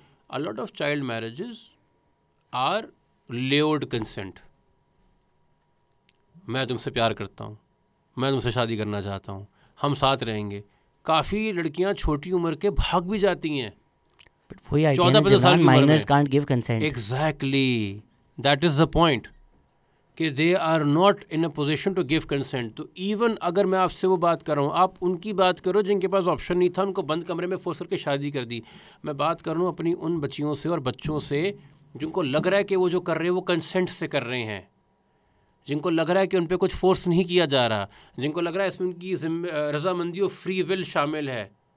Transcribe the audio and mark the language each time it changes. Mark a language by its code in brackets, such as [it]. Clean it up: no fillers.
[en] a lot of child marriages are lured consent, [ur] میں تم سے پیار کرتا ہوں, میں تم سے شادی کرنا چاہتا ہوں, ہم ساتھ رہیں گے. کافی لڑکیاں چھوٹی عمر کے بھاگ بھی جاتی ہیں, [en] 14-15 سال minors can't give consent. Exactly, that is the point, کہ they are not in a position to give consent. [ur] تو ایون اگر میں آپ سے وہ بات کر رہا ہوں, آپ ان کی بات کرو جن کے پاس آپشن نہیں تھا, ان کو بند کمرے میں فورس کر کے شادی کر دی. میں بات کر رہا ہوں اپنی ان بچیوں سے اور بچوں سے جن کو لگ رہا ہے کہ وہ جو کر رہے ہیں وہ کنسینٹ سے کر رہے ہیں, جن کو لگ رہا ہے کہ ان پہ کچھ فورس نہیں کیا جا رہا, جن کو لگ رہا ہے اس میں ان کی رضامندی اور فری ول شامل ہے.